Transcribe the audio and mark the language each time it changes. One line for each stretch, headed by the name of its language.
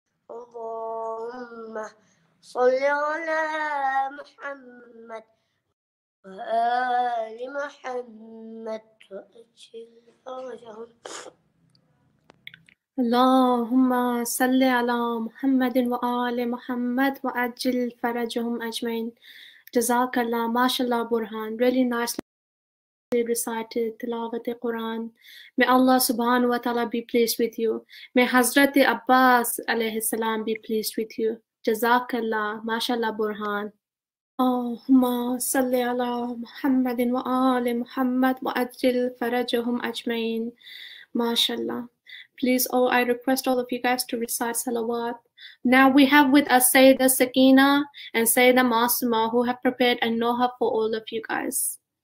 Arabic: اللهم صل على محمد وآل محمد وأجل فرجهم. اللهم صل على محمد وآل محمد وأجل فرجهم أجمعين. جزاك الله ما شاء الله برهان.
English: Really nicely recited تلاوت القرآن. May Allah subhanahu wa ta'ala be pleased with you. May Hazrat Abbas alayhi salam be pleased with you.
Arabic: جزاك الله ما شاء الله برهان. اللهم صل على محمد وآل محمد وأجل فرجهم أجمعين. ما شاء الله.
English: Please, oh, I request all of you guys to recite salawat. Now we have with us Sayyida Sakina and Sayyida Masuma who have prepared a noha for all of you guys.